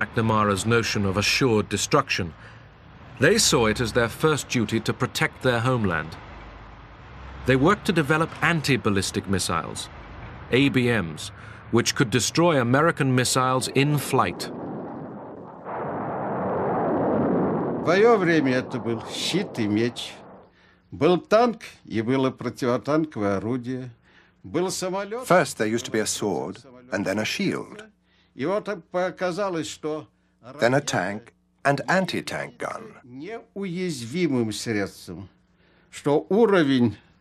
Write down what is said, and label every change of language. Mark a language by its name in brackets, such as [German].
[English] McNamara's notion of assured destruction. They saw it as their first duty to protect their homeland. They worked to develop anti-ballistic missiles, ABMs, which could destroy American missiles in flight. [Russian] В своё время это был щит и меч. Был танк и было противотанковое орудие. Был самолёт. [English] First there used to be a sword and then a shield. Then a tank and anti-tank gun. [Russian] Неуязвимым средством, что уровень